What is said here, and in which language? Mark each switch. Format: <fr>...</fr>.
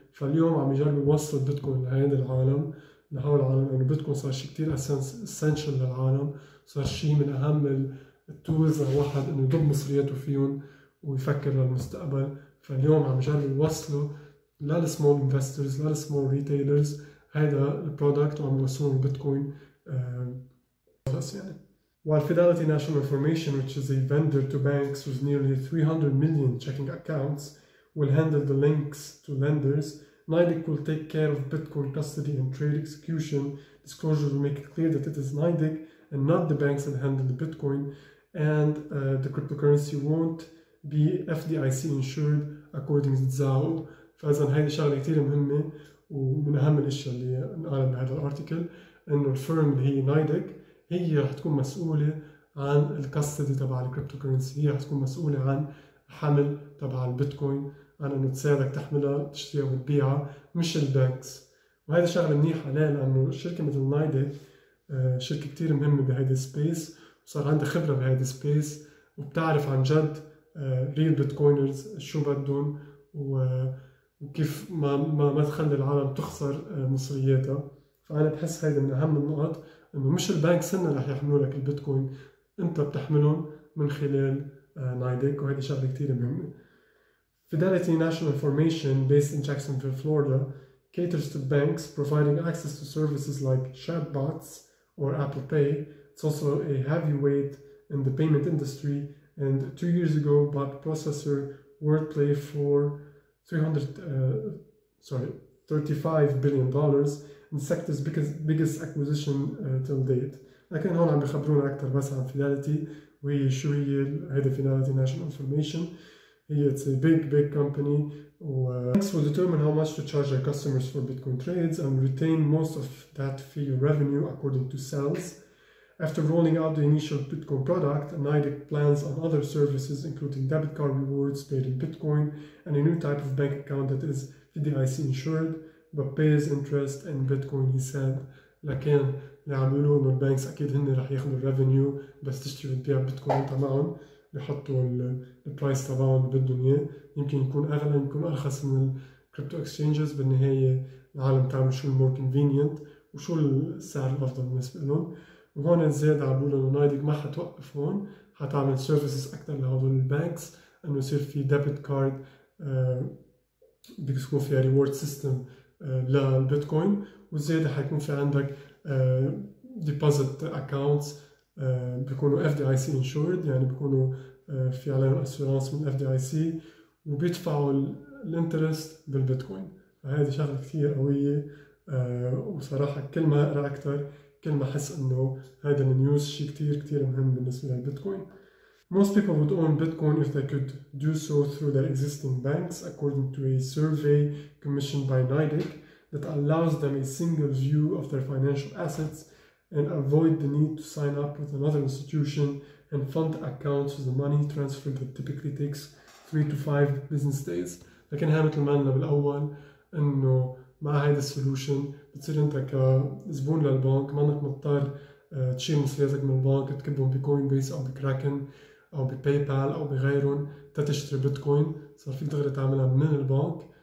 <ar>فاليوم عم يجربوا يوصلوا بيتكوين لهذا العالم، لهول العالم، انه بيتكوين صار شيء كثير اسينشال للعالم، صار شيء من اهم التولز الواحد انه يضب مصرياته فيهم ويفكر للمستقبل. فاليوم عم جرب يوصلوا للسمول انفسترز، للسمول ريتيلرز هذا البرودكت، وعم يوصلوا البيتكوين بس. يعني</ar> <en>while Fidelity National Information, which is a vendor to banks with nearly 300 million checking accounts, will handle the links to lenders, NYDIG will take care of Bitcoin custody and trade execution. Disclosure will make it clear that it is NYDIG and not the banks that handle the Bitcoin, and the cryptocurrency won't be FDIC insured according to Zhao.</en> <ar>فإذا هاي الشغلة كتير مهمة ومن أهم الأشياء اللي نقال بهذا الارتيكل، إنه الفيرم اللي هي NYDIG هي رح تكون مسؤولة عن الكاستدي تبع الكريبتوكرنسي، هي رح تكون مسؤولة عن حمل تبع البيتكوين، عن إنه تساعدك تحملها تشتريها وتبيعها، مش البنكس. وهذا شغلة منيحة ليه؟ لأنه شركة مثل NYDIG شركة كتير مهمة بهذا السبيس، وصار عندها خبرة بهذا السبيس، وبتعرف عن جد ريل بيتكوينرز شو بدهم وكيف ما تخلي العالم تخسر مصرياتها. فأنا بحس هيدا من أهم النقط، إنه مش البنك سنة رح يحملوا لك البيتكوين، أنت بتحملهم من خلال NYDIG، وهذه شغلة كتير مهمة.</ar> <en>Fidelity National Information, based in Jacksonville, Florida, caters to banks, providing access to services like chatbots or Apple Pay. It's also a heavyweight in the payment industry, and 2 years ago bought processor Worldpay for $35 billion, and the sector's biggest acquisition till date.</en> <ar>لكن هون عم بخبرونا أكتر بس عن Fidelity وشو هي هيدا Fidelity National Information.</ar> <en>It's a big company. Banks will determine how much to charge their customers for Bitcoin trades and retain most of that fee revenue according to sales. After rolling out the initial Bitcoin product, NYDIG plans on other services including debit card rewards paid in Bitcoin and a new type of bank account that is FDIC insured but pays interest in Bitcoin, he said.</en> <ar>لكن اللي عم بيقولوا انه البنكس اكيد هن رح ياخذوا الريفينيو بس تشتري وتبيع بيتكوين تبعهم، بحطوا البرايس تبعهم بالدنيا، يمكن يكون اغلى يمكن ارخص من كريبتو اكسشينجز بالنهايه العالم تعمل شو المور كونفينينت وشو السعر الافضل بالنسبه لهم. وهون زياد عبولة انه نايدك ما حتوقف هون، حتعمل سيرفيسز اكثر لهدول البانكس، انه يصير في ديبت كارد بيكون فيها ريورد سيستم للبيتكوين، وزياده حيكون في عندك ديبوزيت اكونتس بيكونوا اف دي اي سي انشورد، يعني بيكونوا في عليهم اسيورانس من اف دي اي سي، وبيدفعوا الانترست بالبيتكوين. فهذه شغله كثير قويه، وصراحه كل ما اقرا اكثر كل ما احس انه هذا النيوز شيء كثير كثير مهم بالنسبه للبيتكوين.</ar> <en>Most people would own Bitcoin if they could do so through their existing banks, according to a survey commissioned by NYDIG that allows them a single view of their financial assets and avoid the need to sign up with another institution and fund accounts with a money transfer that typically takes 3 to 5 business days.</en> <ar>لكنها مثل ما قلنا بالأول إنه مع هيدا السولوشن بتصير أنت كزبون للبنك مانك مضطر تشيل مصرياتك من البنك تكبهم بكوين بيس أو بكراكن أو بباي بال أو بغيرهم تتشتري بيتكوين، صار فيك دغري تعملها من البنك</ar>